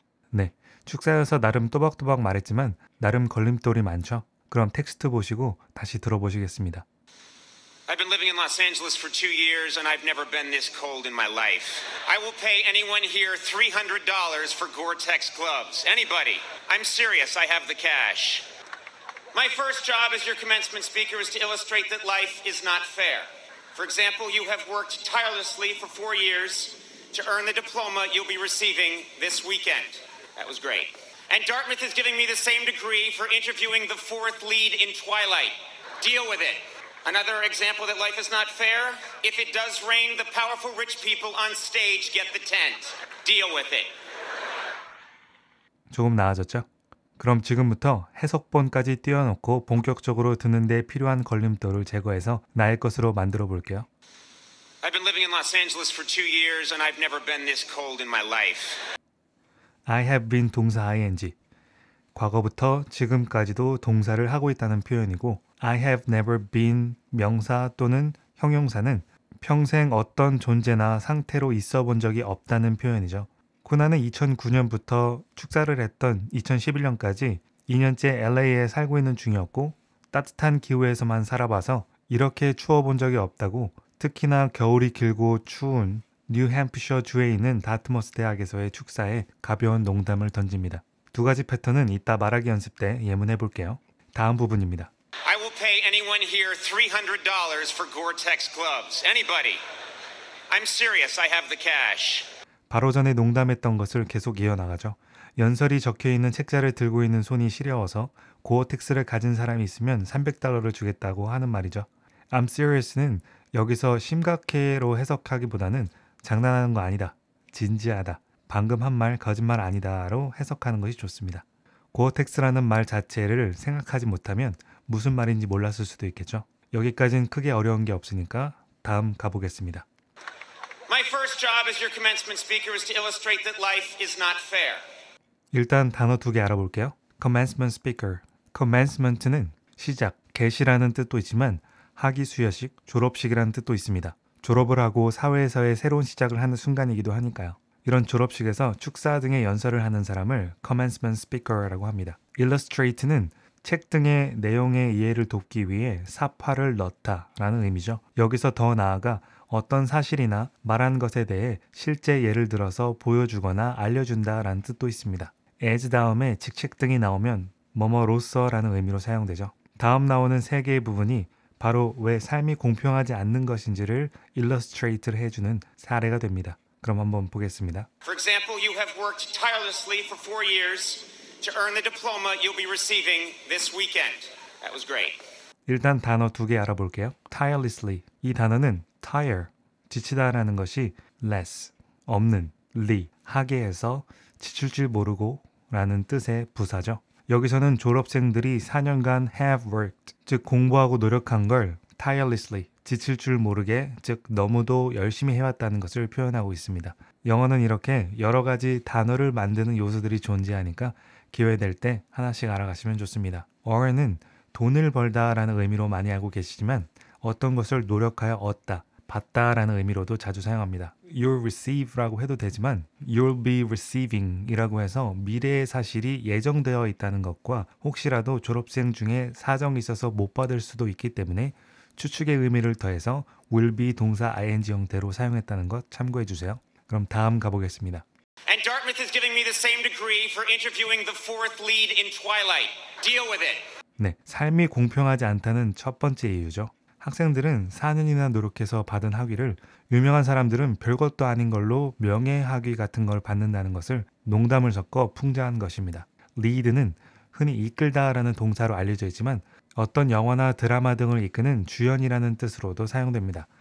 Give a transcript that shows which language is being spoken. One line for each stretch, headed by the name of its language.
Korean: 네, 축사여서 나름 또박또박 말했지만 나름 걸림돌이 많죠? 그럼 텍스트 보시고 다시 들어보시겠습니다.
English: I've been living in Los Angeles for 2 years and I've never been this cold in my life. I will pay anyone here $300 for Gore-Tex gloves. Anybody. I'm serious. I have the cash. My first job as your commencement speaker is to illustrate that life is not fair. For example, you have worked tirelessly for 4 years to earn the diploma you'll be receiving this weekend. That was great. And Dartmouth is giving me the same degree for interviewing the fourth lead in Twilight. Deal with it. Another example that life is not fair, if it does rain, the powerful rich people on stage get the tent. Deal with it.
Korean: 조금 나아졌죠? 그럼 지금부터 해석본까지 띄워놓고 본격적으로 듣는 데 필요한 걸림돌을 제거해서 나의 것으로 만들어 볼게요.
English: I've been living in Los Angeles for 2 years and I've never been this cold in my life. I have been
Korean: 동사
English: ing.
Korean: 과거부터 지금까지도 동사를 하고 있다는 표현이고
English: I have never been
Korean: 명사 또는 형용사는 평생 어떤 존재나 상태로 있어 본 적이 없다는 표현이죠. 코난은 2009년부터 축사를 했던 2011년까지 2년째 LA에 살고 있는 중이었고 따뜻한 기후에서만 살아봐서 이렇게 추워 본 적이 없다고 특히나 겨울이 길고 추운 뉴햄프셔 주에 있는 다트머스 대학에서의 축사에 가벼운 농담을 던집니다. 두 가지 패턴은 이따 말하기 연습 때 예문해 볼게요. 다음 부분입니다.
English: I will pay anyone here $300 for Gore-Tex gloves. Anybody. I'm serious. I have the cash.
Korean: 바로 전에 농담했던 것을 계속 이어나가죠. 연설이 적혀있는 책자를 들고 있는 손이 시려워서 고어텍스를 가진 사람이 있으면 $300를 주겠다고 하는 말이죠.
English: I'm serious
Korean: 는 여기서 심각해로 해석하기보다는 장난하는 거 아니다. 진지하다. 방금 한 말 거짓말 아니다로 해석하는 것이 좋습니다. 고어텍스라는 말 자체를 생각하지 못하면 무슨 말인지 몰랐을 수도 있겠죠. 여기까지는 크게 어려운 게 없으니까 다음 가보겠습니다.
English: My first job as your commencement speaker is to illustrate that life is not fair.
Korean: 일단 단어 두 개 알아볼게요.
English: commencement speaker.
Korean: commencement는 시작, 개시라는 뜻도 있지만 학위 수여식, 졸업식이라는 뜻도 있습니다. 졸업을 하고 사회에서의 새로운 시작을 하는 순간이기도 하니까요. 이런 졸업식에서 축사 등의 연설을 하는 사람을 commencement speaker라고 합니다. illustrate는 책 등의 내용의 이해를 돕기 위해 사파를 넣다 라는 의미죠. 여기서 더 나아가 어떤 사실이나 말한 것에 대해 실제 예를 들어서 보여주거나 알려준다 라는 뜻도 있습니다. as 다음에 직책 등이 나오면 뭐뭐로서 라는 의미로 사용되죠. 다음 나오는 세 개의 부분이 바로 왜 삶이 공평하지 않는 것인지를 illustrate를 해주는 사례가 됩니다. 그럼 한번 보겠습니다.
English: For example, you have worked tirelessly for 4 years to earn the diploma you'll be receiving this weekend. That was great.
Korean: 일단 단어 두 개 알아볼게요. tirelessly. 이 단어는 tire, 지치다라는 것이 less, 없는, ly, 하게 해서 지칠 줄 모르고 라는 뜻의 부사죠. 여기서는 졸업생들이 4년간 have worked, 즉 공부하고 노력한 걸 tirelessly, 지칠 줄 모르게, 즉 너무도 열심히 해왔다는 것을 표현하고 있습니다. 영어는 이렇게 여러 가지 단어를 만드는 요소들이 존재하니까 기회 될 때 하나씩 알아가시면 좋습니다. earn은 돈을 벌다라는 의미로 많이 알고 계시지만 어떤 것을 노력하여 얻다, 받다라는 의미로도 자주 사용합니다.
English: you'll receive
Korean: 라고 해도 되지만
English: you'll be receiving
Korean: 이라고 해서 미래의 사실이 예정되어 있다는 것과 혹시라도 졸업생 중에 사정이 있어서 못 받을 수도 있기 때문에 추측의 의미를 더해서 will be 동사 ing 형태로 사용했다는 것 참고해 주세요. 그럼 다음 가보겠습니다.
English: And Dartmouth is giving me the same degree for interviewing the fourth lead in Twilight. Deal with it.
Korean: 네, 삶이 공평하지 않다는 첫 번째 이유죠. 학생들은 4년이나 노력해서 받은 학위를 유명한 사람들은 별것도 아닌 걸로 명예학위 같은 걸 받는다는 것을 농담을 섞어 풍자한 것입니다. lead는 흔히 이끌다 라는 동사로 알려져 있지만 어떤 영화나 드라마 등을 이끄는 주연이라는 뜻으로도 사용됩니다.